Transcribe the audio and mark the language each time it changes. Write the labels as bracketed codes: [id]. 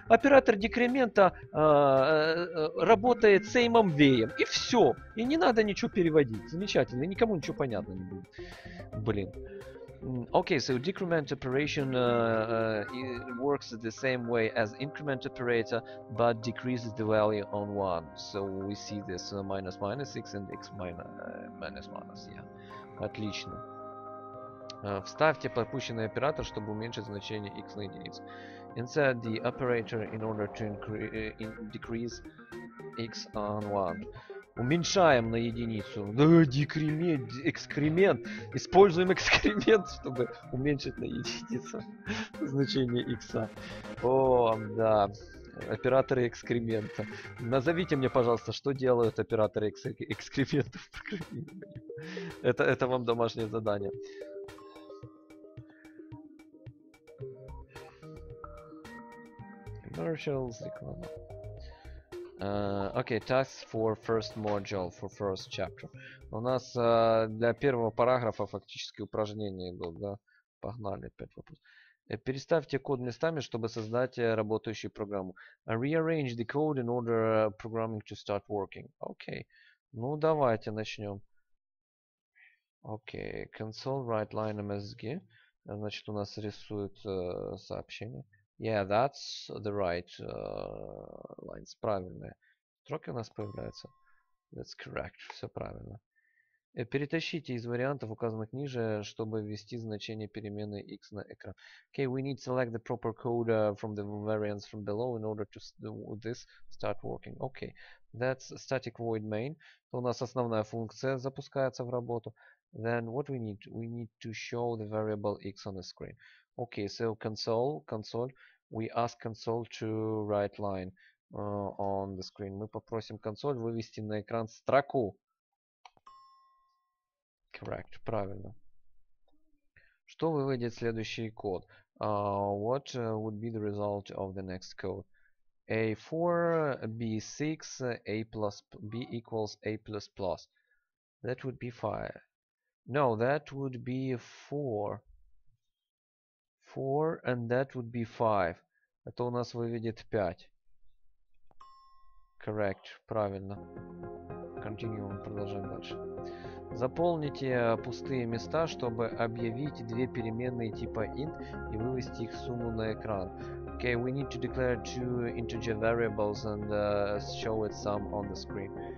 [ru] Оператор декремента работает [en] сеймом вэем. [ru] И все. И не надо ничего переводить. Замечательно. Никому ничего понятно не будет. Блин. [en] Okay, so decrement operation works the same way as increment operator, but decreases the value on 1. So we see this minus minus x and x minus minus minus. Yeah. [ru] Отлично. Вставьте пропущенный оператор, чтобы уменьшить значение x на единицу. [en] Insert the operator in order to decrease x on 1. [ru] Уменьшаем на единицу. Да, декремент, экскремент. Используем экскремент, чтобы уменьшить на единицу значение x. О, да. Операторы экскремента. Назовите мне, пожалуйста, что делают операторы экскрементов. Это вам домашнее задание. [en] Commercials, [ru] реклама. [en] Okay, tasks for first module, for first chapter. [ru] У нас для первого параграфа фактически упражнения идут, да? Погнали, опять вопрос. Переставьте код местами, чтобы создать работающую программу. [en] Rearrange the code in order programming to start working. Okay, [ru] ну давайте начнем. [en] Okay, console write line msg. [ru] Значит, у нас рисует сообщение. [en] Yeah, that's the right lines. [ru] Правильные строки у нас появляются. [en] That's correct. [ru] Все правильно. Перетащите из вариантов, указанных ниже, чтобы ввести значение перемены x на экран. [en] Okay, we need to select the proper code from the variants from below in order to this start working. Okay, that's static void main. [ru] У нас основная функция запускается в работу. [en] Then what we need? We need to show the variable x on the screen. Okay, so console, we ask console to write line on the screen. [ru] Мы попросим консоль вывести на экран строку. Correct, правильно. Что выводит следующий код? [en] What would be the result of the next code? A4, B6, A plus, B equals A plus plus. That would be 5. No, that would be 4. 4, and that would be 5. [ru] Это у нас выведет 5. [en] Correct. [ru] Правильно. continue, продолжаем дальше. Заполните пустые места, чтобы объявить две переменные типа int и вывести их сумму на экран. [en] Okay, we need to declare two integer variables and show its sum on the screen.